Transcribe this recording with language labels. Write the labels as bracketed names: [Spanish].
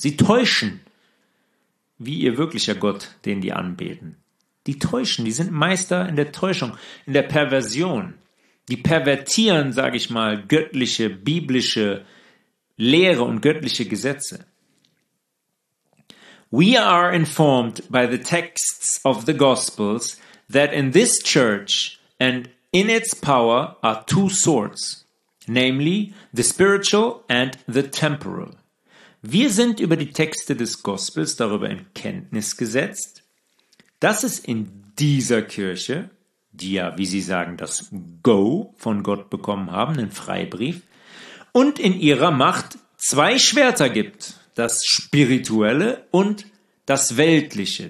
[German] Sie täuschen, wie ihr wirklicher Gott, den die anbeten. Die täuschen, die sind Meister in der Täuschung, in der Perversion. Die pervertieren, sage ich mal, göttliche, biblische Lehre und göttliche Gesetze. [English] We are informed by the texts of the Gospels that in this church and in its power are two sorts, namely the spiritual and the temporal. [German] Wir sind über die Texte des Gospels darüber in Kenntnis gesetzt, dass es in dieser Kirche, die ja, wie sie sagen, das Go von Gott bekommen haben, einen Freibrief, und in ihrer Macht zwei Schwerter gibt, das spirituelle und das weltliche.